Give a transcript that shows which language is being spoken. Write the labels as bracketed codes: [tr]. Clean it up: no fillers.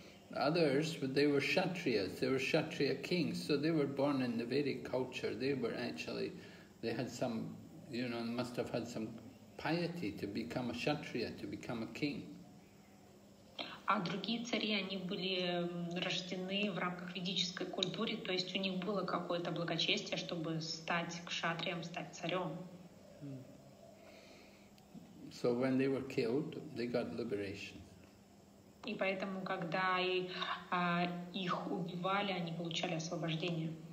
[en] Others, but they were Kshatriyas, they were Kshatriya kings, so they were born in the Vedic culture, they were actually... They had some, you know, must have had some piety to become a kshatriya, to become a king. [ru] А другие цари, они были рождены в рамках ведической культуры, то есть у них было какое-то благочестие, чтобы стать кшатрием, стать царем. [en] So when they were killed, they got liberation. [ru] И поэтому, когда их убивали, они получали освобождение.